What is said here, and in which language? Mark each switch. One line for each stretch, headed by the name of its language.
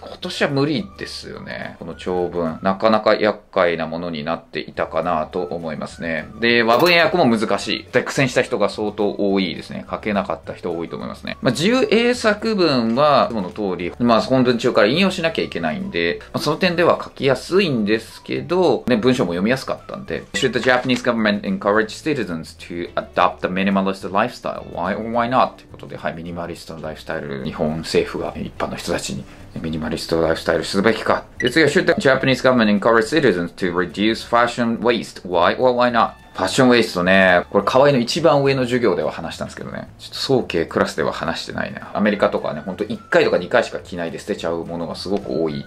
Japanese: 今年は無理ですよね、この長文。なかなか厄介なものになっていたかなと思いますね。で、和文訳も難しい。で、苦戦した人が相当多いですね。書けなかった人多いと思いますね。まあ、自由英作文はいつもの通り、まあ本文中から引用しなきゃいけないんで、まあ、その点では書きやすいんですけど、ね、文章も読みやすかったんで。
English: Should the Japanese government encourage citizens to adopt a minimalist lifestyle? Why or why not?
Japanese: ということで、はい、ミニマリストのライフスタイル、日本政府が一般の人たちに。ミニマリストライフスタイルすべきか。
English: で、次は、 Should the Japanese government encourage citizens to reduce fashion waste? Why or why not?
Japanese: ファッションウェイストね。これ、河合の一番上の授業では話したんですけどね。ちょっと早慶クラスでは話してないね。アメリカとかね、ほんと1回とか2回しか着ないで捨てちゃうものがすごく多い。